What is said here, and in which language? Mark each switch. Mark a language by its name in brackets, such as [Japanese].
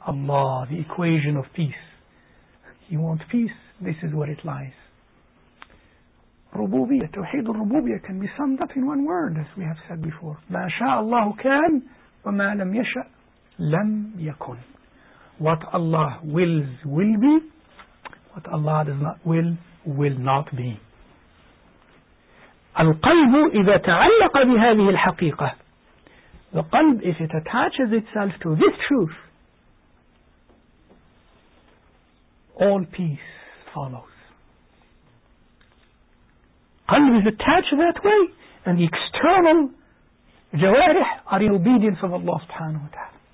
[English] Allah, the equation of peace. You want peace? This is where it lies. Rububiyyah, tawheed al-rububiyyah can be summed up in one word, as we have said before. [Arabic] ما شاء الله كان وما لم يشأ لم يكن. [English] What Allah wills will be, what Allah does not will not be. [Arabic] القلب إذا تعلق بهذه الحقيقة. [English] The qalb, if it attaches itself to this truth, all peace follows. Qalb is attached that way, and the external jawarih are in obedience of Allah subhanahu wa ta'ala.